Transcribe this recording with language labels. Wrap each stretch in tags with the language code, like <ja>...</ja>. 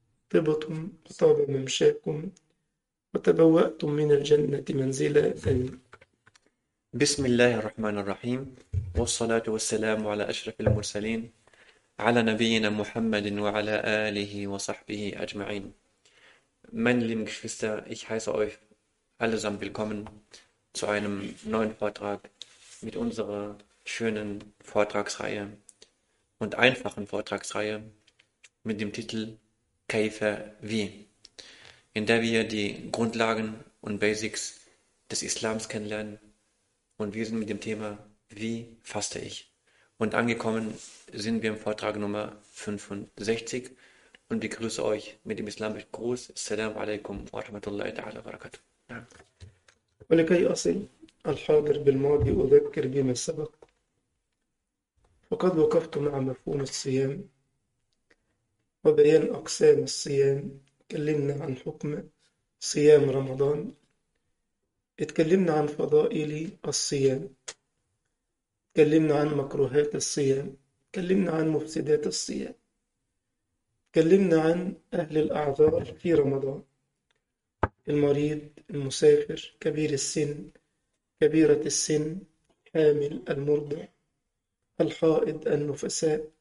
<ar>طبتم وطاب ممشاكم، وتبوأتم من الجنة منزلا ثانية. بسم الله الرحمن الرحيم، والصلاة والسلام على أشرف المرسلين، على نبينا محمد وعلى آله وصحبه أجمعين.</ar> <de>Meine lieben Geschwister, ich heiße euch allesamt willkommen zu einem neuen Vortrag mit unserer schönen Vortragsreihe und einfachen Vortragsreihe mit dem Titel Kaifa wie, in der wir die Grundlagen und Basics des Islams kennenlernen. Und wir sind mit dem Thema Wie faste ich? Und angekommen sind wir im Vortrag Nummer 65. Und ich begrüße euch mit dem islamischen Gruß.</de> <ar>Assalamu alaikum wa rahmatullahi ta'ala wa barakatuh. ولكي أصل الحاضر بالماضي أذكر بما سبق، فقد وقفت مع مفهوم الصيام وبيان أقسام الصيام. اتكلمنا عن حكم صيام رمضان، اتكلمنا عن فضائل الصيام، اتكلمنا عن مكروهات الصيام، اتكلمنا عن مفسدات الصيام، اتكلمنا عن أهل الأعذار في رمضان، المريض، المسافر، كبير السن، كبيرة السن، حامل، المرضع، الحائض، النفساء.</ar>